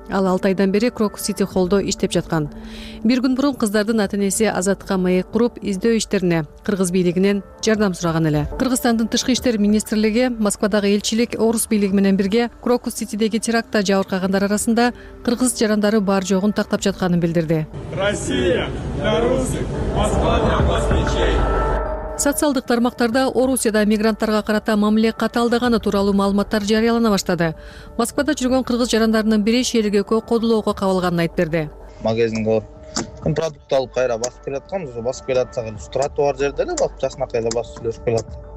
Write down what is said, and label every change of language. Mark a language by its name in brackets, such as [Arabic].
[Kyrgyz] Ал 6 айдан бери Крокс Сити холдо иштеп жаткан. Бир күн мурун кыздардын ата-энеси Азатка маек куруп, издөө иштерине кыргыз бийлигинен жардам сураган эле. Кыргызстандын тышкы иштер министрлиги, Москвадагы элчилик орус бийлиги менен бирге Крокус Ситидеги теракта жабыркагандар арасында кыргыз жарандары бар жогун тактап жатканын билдирди. [Russian] Россия для русских, Москва для москвичей. [Kyrgyz] Социалдык тармактарда Орусияда мигранттарга карата мамиле катаалдаганы тууралуу маалыматтар жарыялана баштады. Москвада жүргөн кыргыз жарандарынын бири шелегекө кодулоого кабылганын айтып берди. Магазинге күн продукт алып кайра басып келатканбыз. Ошо басып келатсак эле тротуар жерде эле басып жакшынакай эле басып сүйлөшүп келат.